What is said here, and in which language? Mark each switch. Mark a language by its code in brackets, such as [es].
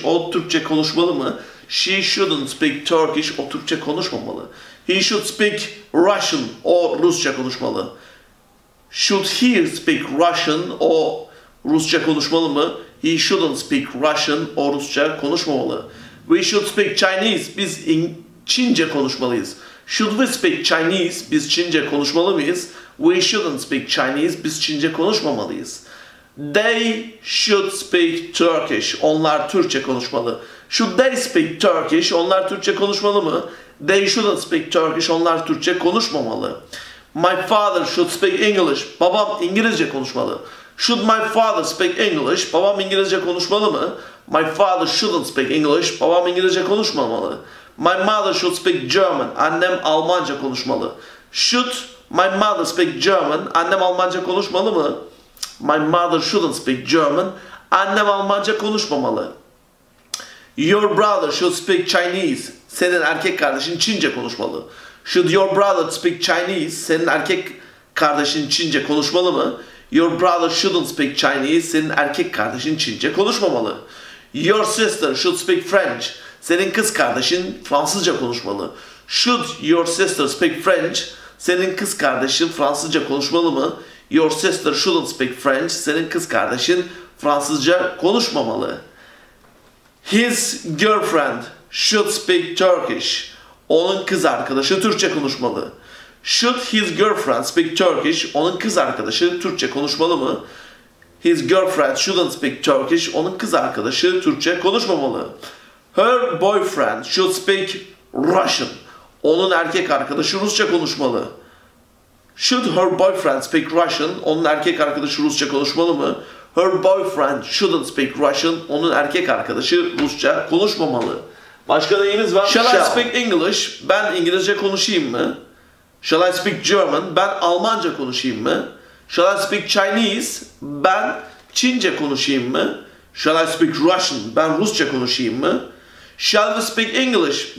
[tr] O Türkçe konuşmalı mı? [en] She shouldn't speak Turkish. [tr] O Türkçe konuşmamalı. [en] He should speak Russian. [tr] O Rusça konuşmalı. [en] Should he speak Russian? [tr] O Rusça konuşmalı mı? [en] He shouldn't speak Russian. [tr] O Rusça konuşmamalı. [en] We should speak Chinese. [tr] Biz Çince konuşmalıyız. [en] Should we speak Chinese? [tr] Biz Çince konuşmalı mıyız? [en] We shouldn't speak Chinese. [tr] Biz Çince konuşmamalıyız. [en] They should speak Turkish. [tr] Onlar Türkçe konuşmalı. [en] Should they speak Turkish? [tr] Onlar Türkçe konuşmalı mı? [en] They shouldn't speak Turkish. [tr] Onlar Türkçe konuşmamalı. [en] My father should speak English. [tr] Babam İngilizce konuşmalı. [en] Should my father speak English? [tr] Babam İngilizce konuşmalı mı? [en] My father shouldn't speak English. [tr] Babam İngilizce konuşmamalı. [en] My mother should speak German. [tr] Annem Almanca konuşmalı. [en] Should my mother speak German? [tr] Annem Almanca konuşmalı mı? [en] My mother shouldn't speak German. [tr] Annem Almanca konuşmamalı. [en] Your brother should speak Chinese. [tr] Senin erkek kardeşin Çince konuşmalı. [en] Should your brother speak Chinese? [tr] Senin erkek kardeşin Çince konuşmalı mı? [en] Your brother shouldn't speak Chinese. [tr] Senin erkek kardeşin Çince konuşmamalı. [en] Your sister should speak French. [tr] Senin kız kardeşin Fransızca konuşmalı. [en] Should your sister speak French? [tr] Senin kız kardeşin Fransızca konuşmalı mı? [en] Your sister shouldn't speak French. [tr] Senin kız kardeşin Fransızca konuşmamalı. [en] His girlfriend should speak Turkish. [tr] Onun kız arkadaşı Türkçe konuşmalı. [en] Should his girlfriend speak Turkish? [tr] Onun kız arkadaşı Türkçe konuşmalı mı? [en] His girlfriend shouldn't speak Turkish. [tr] Onun kız arkadaşı Türkçe konuşmamalı. [en] Her boyfriend should speak Russian. [tr] Onun erkek arkadaşı Rusça konuşmalı. [en] Should her boyfriend speak Russian? [tr] Onun erkek arkadaşı Rusça konuşmalı mı? [en] Her boyfriend shouldn't speak Russian. [tr] Onun erkek arkadaşı Rusça konuşmamalı. Başka neyimiz var? [en] Shall I speak English? [tr] Ben İngilizce konuşayım mı? [en] Shall I speak German? [tr] Ben Almanca konuşayım mı? [en] Shall I speak Chinese? [tr] Ben Çince konuşayım mı? [en] Shall I speak Russian? [tr] Ben Rusça konuşayım mı? [en] Shall we speak English?